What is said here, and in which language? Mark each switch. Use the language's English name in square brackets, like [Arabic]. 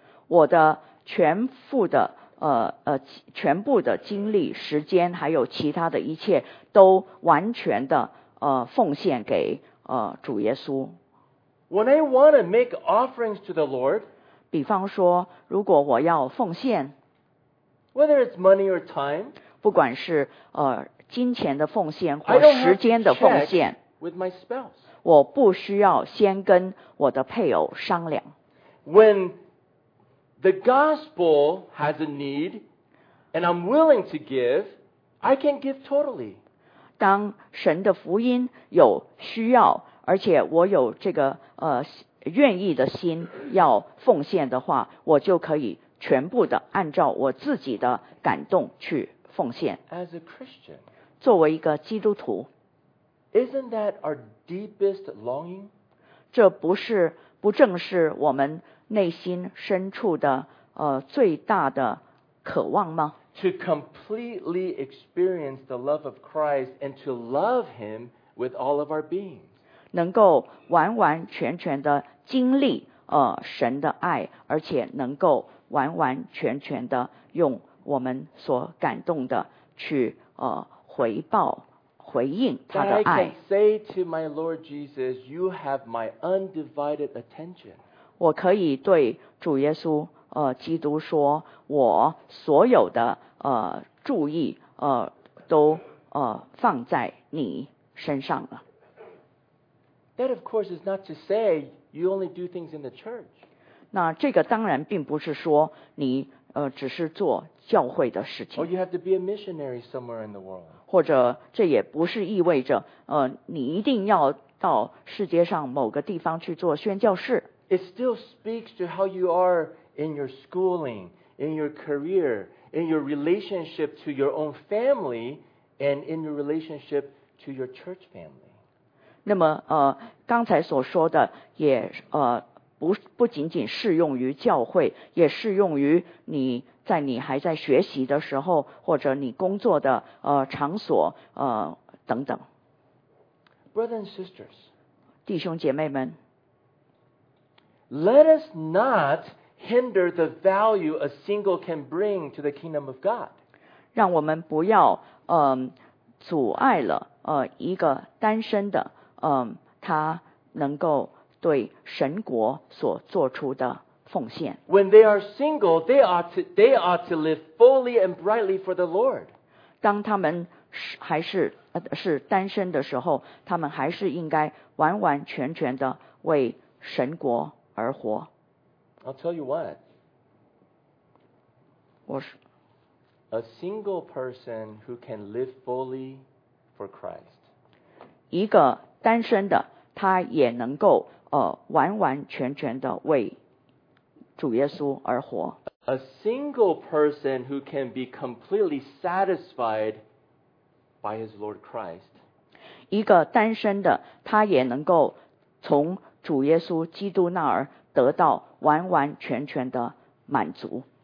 [Chinese] 我的全部的，全部的精力、时间，还有其他的一切，都完全的，奉献给，主耶稣。 [English] When I want to make offerings to the Lord, [Chinese] 比方说，如果我要奉献。 [English] Whether it's money or time, [Chinese] 不管是，金钱的奉献或时间的奉献， [English] I don't have to check with my spouse. [Chinese] 我不需要先跟我的配偶商量。 [English] When the gospel has a need and I'm willing to give, I can give totally. [Chinese] 当神的福音有需要，而且我有这个，愿意的心要奉献的话，我就可以全部的按照我自己的感动去奉献。 [English] As a Christian, [Chinese] 作为一个基督徒， [English] Isn't that our deepest longing? [Chinese] 这不是，不正是我们内心深处的，最大的渴望吗？ [English] To completely experience the love of Christ and to love Him with all of our being. [Chinese] 能够完完全全的经历，神的爱，而且能够完完全全的用我们所感动的去回报回应他的爱。 [English] That I can say to my Lord Jesus, you have my undivided attention. [Chinese] 我可以对主耶稣基督说，我所有的注意都放在你身上了。 [English] That of course is not to say you only do things in the church. [Chinese] 那这个当然并不是说你只是做教会的事情。 [English] Or you have to be a missionary somewhere in the world. [Chinese] 或者这也不是意味着你一定要到世界上某个地方去做宣教士。 [English] It still speaks to how you are in your schooling, in your career, in your relationship to your own family, and in your relationship to your church family. [Chinese] 那么刚才所说的也不仅仅适用于教会，也适用于你在你还在学习的时候，或者你工作的场所等等。 [English] Brothers and sisters, [Chinese] 弟兄姐妹们， [English] Let us not hinder the value a single can bring to the kingdom of God. [Chinese] 让我们不要阻碍了一个单身的他能够对神国所做出的奉献。 [English] When they are single, they ought to live fully and brightly for the Lord. [Chinese] 当他们是单身的时候，他们还是应该完完全全的为神国而活。 [English] I'll tell you what. [Chinese] 我是 [English] a single person who can live fully for Christ. [Chinese] 一个单身的，他也能够完完全全的为主耶稣而活。 [English] A single person who can be completely satisfied by his Lord Christ. [Chinese] 一个单身的，他也能够从主耶稣基督那儿得到完完全全的满足。